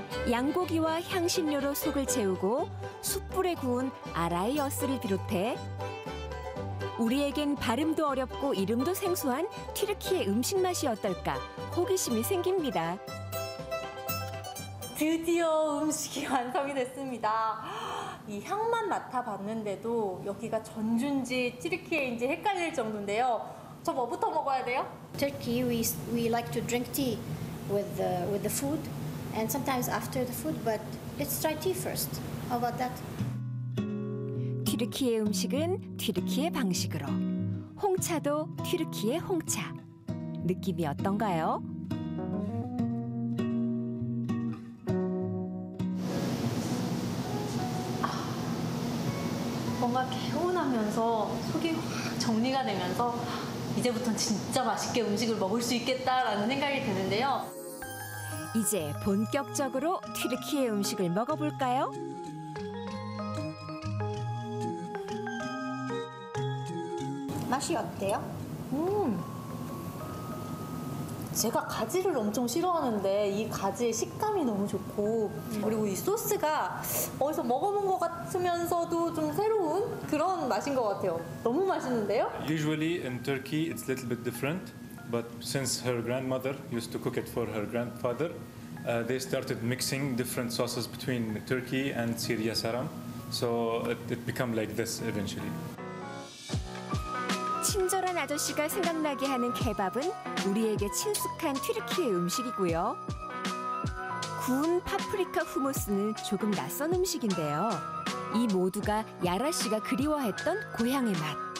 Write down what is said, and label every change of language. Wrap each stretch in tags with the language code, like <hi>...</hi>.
<ko>양고기와 향신료로 속을 채우고 숯불에 구운 아라이 어스를 비롯해 우리에겐 발음도 어렵고 이름도 생소한 튀르키예 음식 맛이 어떨까 호기심이 생깁니다. 드디어 음식이 완성이 됐습니다. 이 향만 맡아봤는데도 여기가 전주인지 튀르키예인지 헷갈릴 정도인데요. 저 뭐부터 먹어야 돼요?</ko> <en>Turkey, we like to drink tea with the food and sometimes after the food, but let's try tea first. How about that?</en> <ko>튀르키예 음식은 튀르키예 방식으로. 홍차도 튀르키예 홍차. 느낌이 어떤가요? 뭔가 개운하면서 속이 확 정리가 되면서 이제부터는 진짜 맛있게 음식을 먹을 수 있겠다라는 생각이 드는데요. 이제 본격적으로 튀르키예 음식을 먹어볼까요? 맛이 어때요? 제가 가지를 엄청 싫어하는데 이 가지의 식감이 너무 좋고 그리고 이 소스가 어디서 먹어본 것 같으면서도 좀 새로운 그런 맛인 것 같아요. 너무 맛있는데요?</ko> <en>Usually in Turkey it's a little bit different, but since her grandmother used to cook it for her grandfather, they started mixing different sauces between Turkey and Syria saram, so it became like this eventually.</en> <ko>친절한 아저씨가 생각나게 하는 케밥은 우리에게 친숙한 튀르키예 음식이고요. 구운 파프리카 후무스는 조금 낯선 음식인데요. 이 모두가 야라 씨가 그리워했던 고향의 맛.</ko>